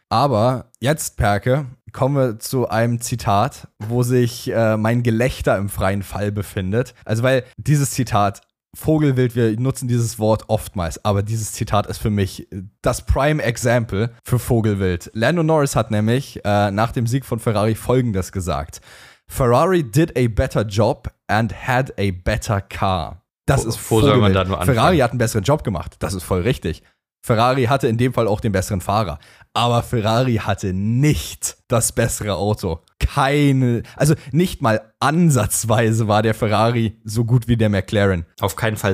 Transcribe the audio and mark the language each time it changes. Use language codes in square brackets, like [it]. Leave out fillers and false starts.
[de] Aber jetzt, Perke, kommen wir zu einem Zitat, wo sich mein Gelächter im freien Fall befindet. Also weil dieses Zitat, Vogelwild, wir nutzen dieses Wort oftmals, aber dieses Zitat ist für mich das Prime Example für Vogelwild. Lando Norris hat nämlich nach dem Sieg von Ferrari Folgendes gesagt. [en] Ferrari did a better job and had a better car. [de] Das ist Vogelwild. Wo soll man da nur anfangen? Ferrari hat einen besseren Job gemacht, das ist voll richtig. Ferrari hatte in dem Fall auch den besseren Fahrer. Aber Ferrari hatte nicht das bessere Auto. Also nicht mal ansatzweise war der Ferrari so gut wie der McLaren. Auf keinen Fall.